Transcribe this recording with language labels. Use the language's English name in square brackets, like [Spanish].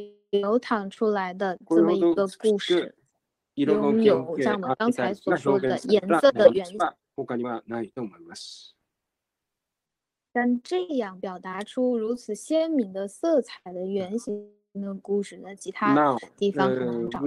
[Chinese] 流淌出来的这么一个故事，拥有像我刚才所说的颜色的原型， [Japanese] 他にはないと思います。 [Chinese] 但这样表达出如此鲜明的色彩的原型。那故事的其他地方可能找到。